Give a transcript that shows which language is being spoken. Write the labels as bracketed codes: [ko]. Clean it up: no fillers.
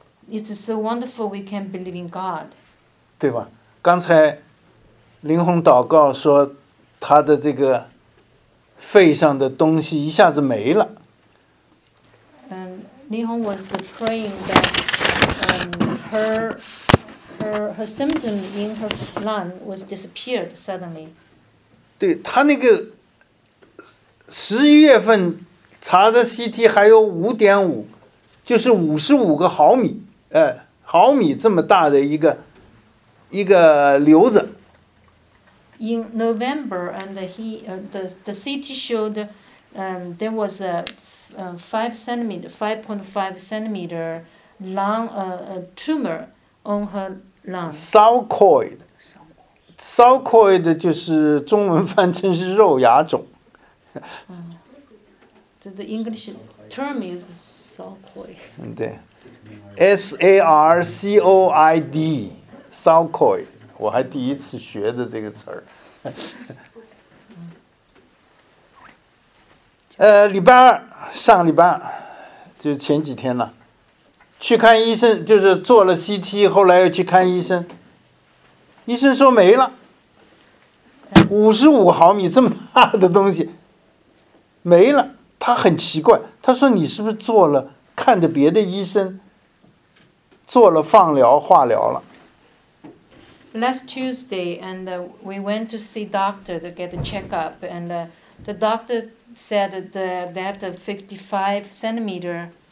[en] It's so wonderful we can believe in God. [zh] 对吧？刚才林红祷告说，他的这个肺上的东西一下子没了。 [en] Lin Hong was praying that her symptom in her lung was disappeared suddenly. [zh] 对，他那个十一月份查的 CT 还有5.5，就是55毫米，毫米这么大的一个瘤子。 [en] In November, and the CT showed, there was a five point five centimeter lung tumor on her lung. [zh] Sarcoid. Sarcoid 就是中文翻成是肉芽肿。 [en] The English term is sarcoid. 对 ，S-A-R-C-O-I-D, sarcoid. [zh] 我还第一次学的这个词儿。礼拜二，上礼拜二，就前几天了，去看医生，就是做了 CT， 后来又去看医生，医生说没了，55毫米这么大的东西没了。他很奇怪，他说你是不是做了，看着别的医生做了放疗化疗了。 [en] Last Tuesday, and we went to see doctor to get a checkup, and the doctor said that 55 centimeter.